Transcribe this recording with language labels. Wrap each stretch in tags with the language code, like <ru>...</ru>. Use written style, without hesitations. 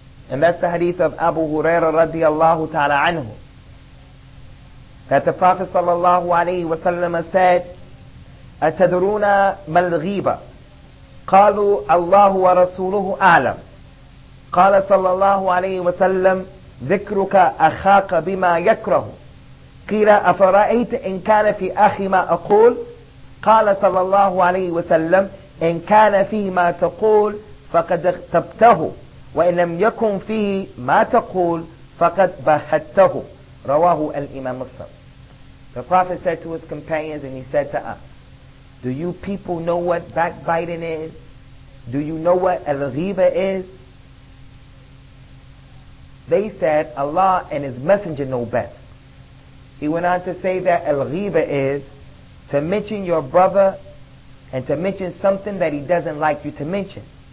<en>And that's the hadith of Abu Huraira radiallahu ta'ala anhu, that the Prophet sallallahu alayhi wa sallam said,</en> <ar>أتدرون ما الغيبة؟ قالوا الله ورسوله أعلم. قال صلى الله عليه وسلم ذكرك أخاك بما يكره. قيل أفرأيت إن كان في أخي ما أقول؟ قال صلى الله عليه وسلم إن كان فيه ما تقول فقد اغتبته، وإن لم يكن فيه ما تقول فقد بهته. رواه الإمام مسلم.</ar> <en>The Prophet said to his companions and he said to us, do you people know what backbiting is? Do you know what al-ghiba is? They said, Allah and His Messenger know best. He went on to say that al-ghiba is to mention your brother and to mention something that he doesn't like you to mention.</en>